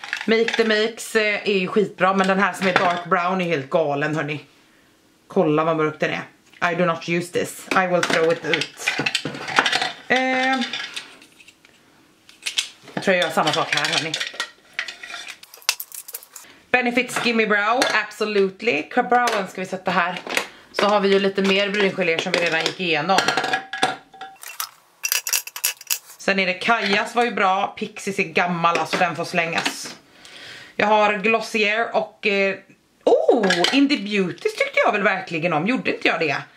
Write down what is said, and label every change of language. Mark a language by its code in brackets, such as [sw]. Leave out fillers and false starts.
[sv] Make the Makes är ju skitbra. Men den här som är dark brown är helt galen hörni. kolla vad mörk den är. [en] I do not use this. I will throw it out. [sv] Tror jag gör samma sak här, hörni. [en] Benefit Skimmy Brow, absolutely. [sv] Brown ska vi sätta här. Så har vi ju lite mer bryngelé som vi redan gick igenom. Sen är det Kajas, var ju bra. Pixies är gammal, alltså den får slängas. Jag har Glossier och... Indie Beauty tyckte jag väl verkligen om. Gjorde inte jag det?